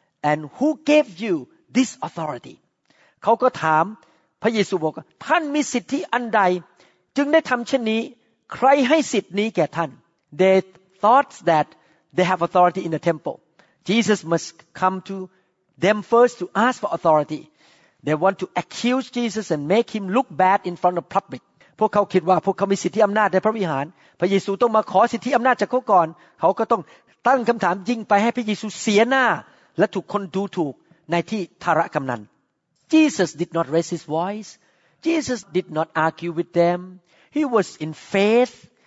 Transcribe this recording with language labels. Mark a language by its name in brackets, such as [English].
[English] And who gave you this authority? [Thai] เขาก็ถามพระเยซูบอกว่าท่านมีสิทธิอันใดจึงได้ทำเช่นนี้ใครให้สิทธินี้แก่ท่าน [English] They thought that they have authority in the temple. Jesus must come to them first to ask for authority. They want to accuse Jesus and make him look bad in front of public. [Thai] พวกเขาคิดว่าพวกเขามีสิทธิอำนาจในพระวิหารพระเยซูต้องมาขอสิทธิอำนาจจากเขาก่อนเขาก็ต้องตั้งคำถามยิงไปให้พระเยซูเสียหน้าและถูกคนดูถูกในที่ธารกำนัน [English] Jesus did not raise his voice. Jesus did not argue with them. He was in faith.